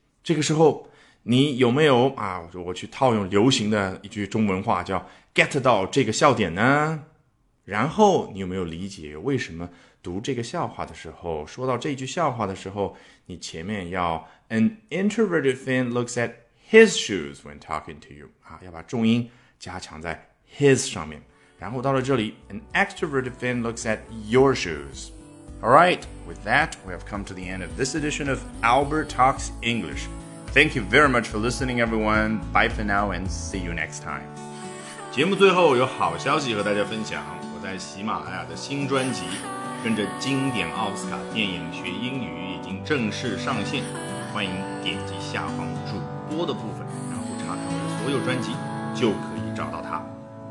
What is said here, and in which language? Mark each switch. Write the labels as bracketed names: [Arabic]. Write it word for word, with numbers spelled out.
[Chinese] 这个时候你有没有啊，我去套用流行的一句中文话叫 get 到这个笑点呢？然后你有没有理解为什么读这个笑话的时候，说到这句笑话的时候，你前面要 [English] an introverted fan looks at his shoes when talking to you [Chinese] 啊，要把重音加强在 his 上面。然后到了这里 [English] an extroverted fan looks at your shoes. All right, with that, we have come to the end of this edition of Albert Talks English. Thank you very much for listening, everyone. Bye for now and see you next time. [Chinese] 节目最后有好消息和大家分享，我在喜马拉雅的新专辑《跟着经典奥斯卡电影学英语》已经正式上线，欢迎点击下方主播的部分，然后查看我的所有专辑，就可以找到它。